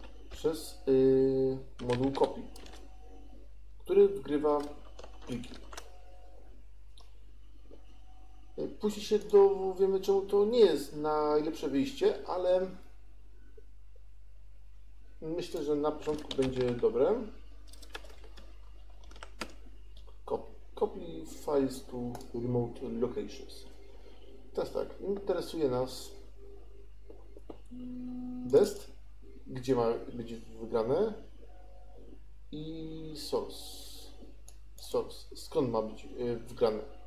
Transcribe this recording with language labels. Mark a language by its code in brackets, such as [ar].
[pl] Przez moduł copy, który wgrywa pliki. Później się dowiemy, czemu to nie jest najlepsze wyjście, ale myślę, że na początku będzie dobre. [en] Copy files to remote locations. [pl] Teraz tak, interesuje nas dest, gdzie ma być wygrane, i source. Skąd ma być wgrane.